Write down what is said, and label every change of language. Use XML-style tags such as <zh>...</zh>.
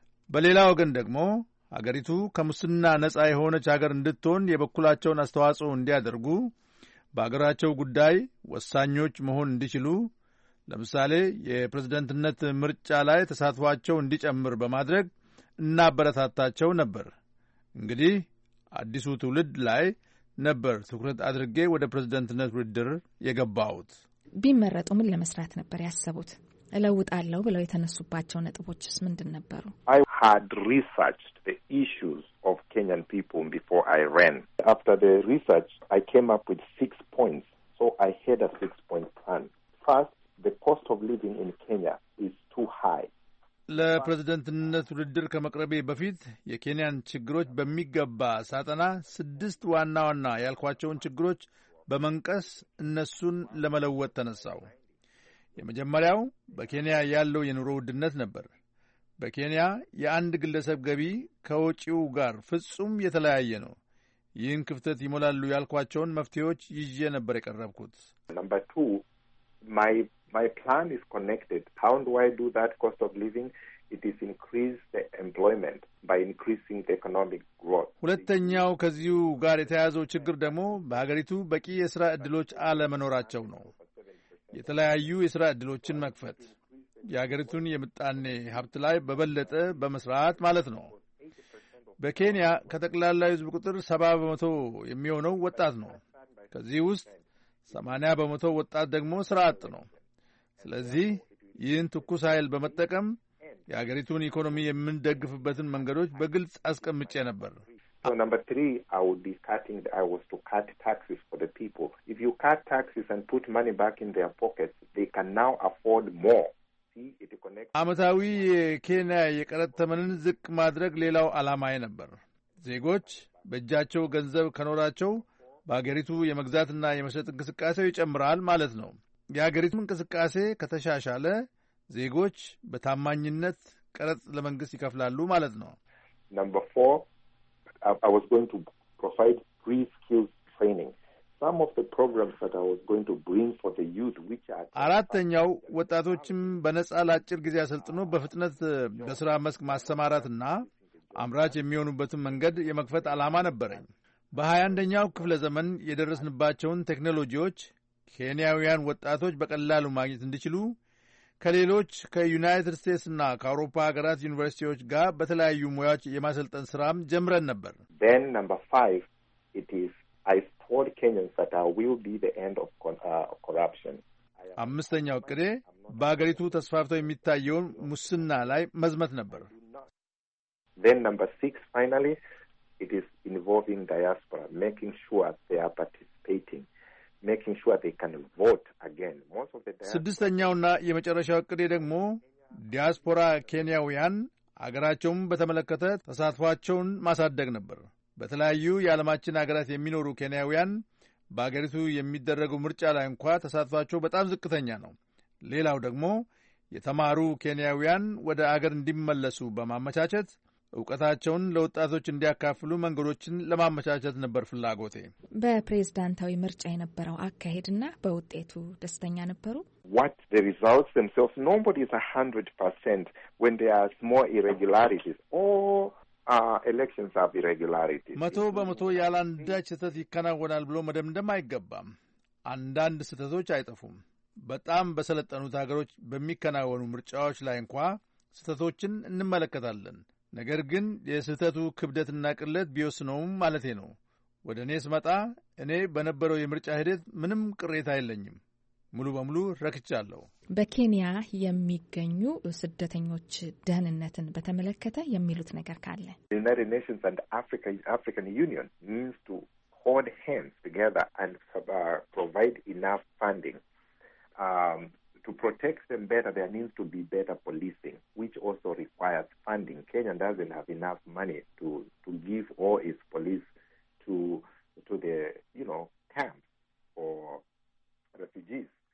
<am>በሌላ ወገን ደግሞ አገሪቱ ከሙስና ነጻ የሆነች አገር እንድትሆን የበኩላቸውን አስተዋጽኦ እንዲያደርጉ፣ በአገራቸው ጉዳይ ወሳኞች መሆን እንዲችሉ፣ ለምሳሌ የፕሬዝደንትነት ምርጫ ላይ ተሳትፏቸው እንዲጨምር በማድረግ እናበረታታቸው ነበር። እንግዲህ አዲሱ ትውልድ ላይ ነበር ትኩረት አድርጌ ወደ ፕሬዝደንትነት ውድድር የገባሁት። ቢመረጡ ምን ለመስራት ነበር ያሰቡት? እለውጣለሁ ብለው የተነሱባቸው ነጥቦችስ ምንድን ነበሩ?</am> <en>I had researched the issues of Kenyan people before I ran. After the research, I came up with 6 points. So I had a 6-point plan. First, the cost of living in Kenya is too high.</en> <am>ለፕሬዝዳንትነት ውድድር ከመቅረቤ በፊት የኬንያን ችግሮች በሚገባ ሳጠና ስድስት ዋና ዋና ያልኳቸውን ችግሮች በመንቀስ እነሱን ለመለወጥ ተነሳው። የመጀመሪያው በኬንያ ያለው የኑሮ ውድነት ነበር። በኬንያ የአንድ ግለሰብ ገቢ ከወጪው ጋር ፍጹም የተለያየ ነው። ይህን ክፍተት ይሞላሉ ያልኳቸውን መፍትሄዎች ይዤ ነበር የቀረብኩት።</am> <en>Number 2, my plan is connected. How do I do that cost of living? It is increase the employment by increasing the economic growth.</en> <am>ሁለተኛው ከዚሁ ጋር የተያዘው ችግር ደግሞ በሀገሪቱ በቂ የሥራ ዕድሎች አለመኖራቸው ነው። የተለያዩ የሥራ ዕድሎችን መክፈት የሀገሪቱን የምጣኔ ሀብት ላይ በበለጠ በመስራት ማለት ነው። በኬንያ ከጠቅላላው ህዝብ ቁጥር 70% የሚሆነው ወጣት ነው። ከዚህ ውስጥ 80% ወጣት ደግሞ ሥራ አጥ ነው። ስለዚህ ይህን ትኩስ ኃይል በመጠቀም የሀገሪቱን ኢኮኖሚ የምንደግፍበትን መንገዶች በግልጽ አስቀምጬ ነበር።</am> <en>So number 3, I was to cut taxes for the people. If you cut taxes and put money back in their pockets, they can now afford more. See, it connects.</en> <am>አመታዊ የኬንያ የቀረጥ ተመንን ዝቅ ማድረግ ሌላው ዓላማዬ ነበር። ዜጎች በእጃቸው ገንዘብ ከኖራቸው በሀገሪቱ የመግዛትና የመሸጥ እንቅስቃሴ ይጨምራል ማለት ነው። የሀገሪቱ እንቅስቃሴ ከተሻሻለ ዜጎች በታማኝነት ቀረጥ ለመንግስት ይከፍላሉ ማለት ነው።</am> <en>Number 4, I was going to provide free skills training. Some of the programs that I was going to bring for the youth, which are</en> <am>አራተኛው ወጣቶችን በነጻ ላጭር ጊዜ አሰልጥኖ በፍጥነት በስራ መስክ ማስተማራትና አምራች የሚሆኑበትን መንገድ የመክፈት ዓላማ ነበረኝ። በ21ኛው ክፍለ ዘመን የደረስንባቸውን ቴክኖሎጂዎች ኬንያውያን ወጣቶች በቀላሉ ማግኘት እንዲችሉ ከሌሎች ከዩናይትድ ስቴትስ እና ከአውሮፓ ሀገራት ዩኒቨርሲቲዎች ጋር በተለያዩ ሙያዎች የማሰልጠን ስራም ጀምረን ነበር።</am> <en>Then number 5, it is I told Kenyans that I will be the end of corruption.</en> <am>አምስተኛው ቅሬ በአገሪቱ ተስፋፍቶ የሚታየውን ሙስና ላይ መዝመት ነበር።</am> <en>Then number 6, finally, it is involving diaspora, making sure they are participating. Making sure they can vote again. Most of the diaspora.</en> <am>ስድስተኛውና የመጨረሻው ቅዴ ደግሞ ዲያስፖራ ኬንያውያን አገራቸውን በተመለከተ ተሳትፏቸውን ማሳደግ ነበር። በተለያዩ የዓለማችን አገራት የሚኖሩ ኬንያውያን በአገሪቱ የሚደረጉ ምርጫ ላይ እንኳን ተሳትፏቸው በጣም ዝቅተኛ ነው። ሌላው ደግሞ የተማሩ ኬንያውያን ወደ አገር እንዲመለሱ በማመቻቸት ውቀታቸውን ለወጣቶች እንዲያካፍሉ መንገዶችን ለማመቻቸት ነበር ፍላጎቴ። በፕሬዝዳንታዊ ምርጫ የነበረው አካሄድና በውጤቱ ደስተኛ ነበሩ?</am> <en>What the results themselves, nobody is 100% when there are small irregularities. Elections are irregularities.</en> <am>100% ያላንዳች ስህተት ይከናወናል ብሎ መደምደም አይገባም። አንዳንድ ስህተቶች አይጠፉም። በጣም በሰለጠኑት ሀገሮች በሚከናወኑ ምርጫዎች ላይ እንኳን ስህተቶችን እንመለከታለን። ነገር ግን የስህተቱ ክብደትና ቅለት ቢወስነውም ማለቴ ነው። ወደ እኔስ መጣ እኔ በነበረው የምርጫ ሂደት ምንም ቅሬታ የለኝም። ሙሉ በሙሉ ረክቻለሁ። በኬንያ የሚገኙ ስደተኞች ደህንነትን በተመለከተ የሚሉት ነገር ካለ?</am> <en>The United Nations and African Union needs to hold hands together and provide enough funding. To protect them better, there needs to be better policing, which also requires funding. Kenya doesn't have enough money to give all its police to the, you know, camps for refugees.</en>